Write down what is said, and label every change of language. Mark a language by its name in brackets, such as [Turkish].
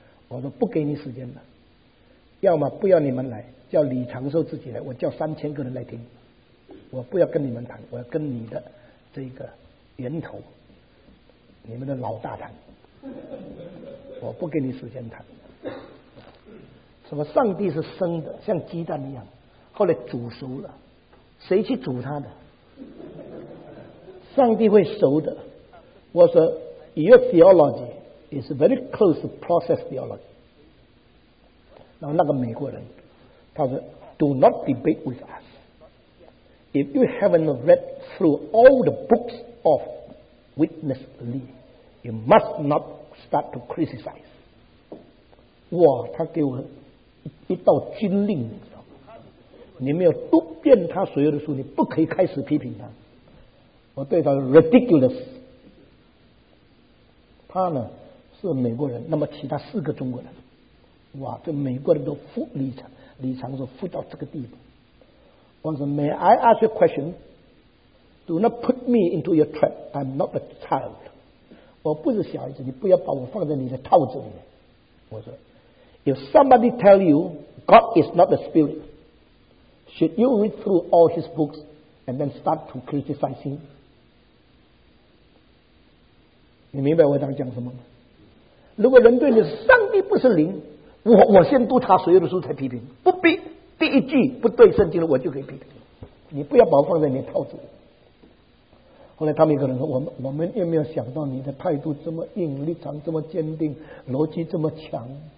[Chinese] 我说不给你时间了，要么不要你们来，叫李长寿自己来，我叫三千个人来听，我不要跟你们谈，我要跟你的这个源头，你们的老大谈，我不给你时间谈。什么上帝是生的，像鸡蛋一样，后来煮熟了，谁去煮它的？上帝会熟的。我说 [English] ，Your theology is very close to process theology。 [Chinese] 然后那个美国人，他说 [English] ，Do not debate with us。 If you haven't read through all the books of Witness Lee, you must not start to criticize。 [Chinese] 哇，他给我一道军令，你知道吗？你没有读遍他所有的书，你不可以开始批评他。我对他 ridiculous。他呢是美国人，那么其他四个中国人，哇，这美国人都服李长寿服到这个地步。我说 [English] ，May I ask a question? Do not put me into your trap. I'm not a child. [Chinese] 我不是小孩子，你不要把我放在你的套子里面。我说 [English] ，If somebody tell you God is not a spirit, should you read through all his books and then start to criticize him? [Chinese] 你明白我在讲什么吗？如果人对你上帝不是灵，我先读他所有的书才批评，不必。第一句不对圣经的我就可以批评你，不要把我放在你的套子里。后来他们一个人说，我们也没有想到你的态度这么硬，立场这么坚定，逻辑这么强。